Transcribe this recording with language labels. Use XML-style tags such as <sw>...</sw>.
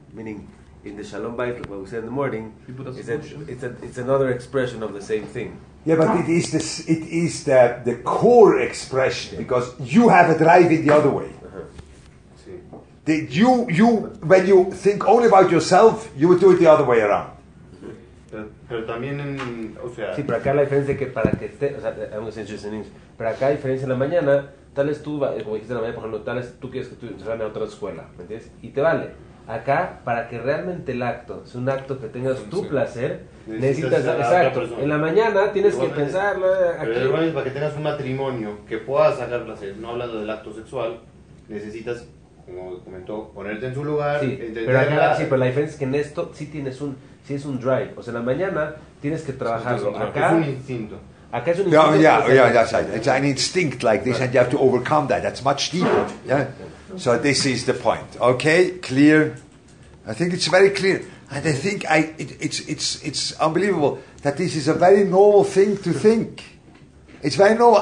<en>Meaning, in the Shalom Bayit, what we say in the morning, it's another expression of the same thing. Yeah, but it is the core expression, yeah. Because you have a drive in the other way. You when you think only about yourself, you would do it the other way around.</en> <es>Pero también en, o sea, sí, pero acá la diferencia es que para que esté, o sea, I'm going to say in English, pero acá la diferencia en la mañana, tal vez tú, como dijiste en la mañana, por ejemplo, tal vez tú quieres que tú entres a otra escuela, ¿me entiendes? Y te vale. Acá, para que realmente el acto sea un acto que tengas sí, tu sí. placer, necesitas exacto. En la mañana tienes que pensarlo. Pero igual es para que tengas un matrimonio que pueda sacar placer, no hablando del acto sexual, necesitas, como comentó, ponerte en su lugar. Sí, pero la diferencia es que en esto sí tienes un, sí es un drive. O sea, en la mañana tienes que trabajarlo. Acá es un instinto. Acá es un instinto.</es> <en>It's an instinct like this, and you have to overcome that. That's much deeper. Yeah. So this is the point. Okay, clear. I think it's very clear, and I think it's unbelievable that this is a very normal thing to think. It's very normal.</en>